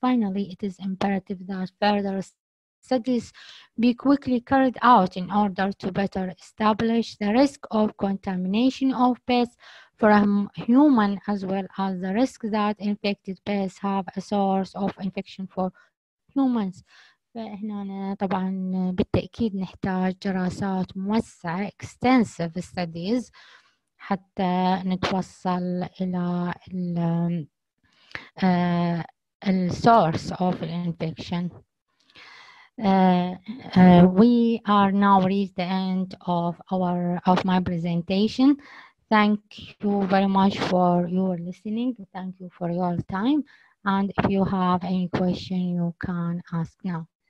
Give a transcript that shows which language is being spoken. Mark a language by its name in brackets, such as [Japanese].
[English] Finally, it is imperative that further studies be quickly carried out in order to better establish the risk of contamination of pets from human as well as the risk that infected pets have a source of infection for humans. [Arabic] فهنا طبعا بالتأكيد نحتاج دراسات موسعة [English] extensive studies [Arabic] حتى نتوصل إلى الـ [English] source of infection. We are now reached the end of my presentation. Thank you very much for your listening. Thank you for your time. And if you have any question, you can ask now.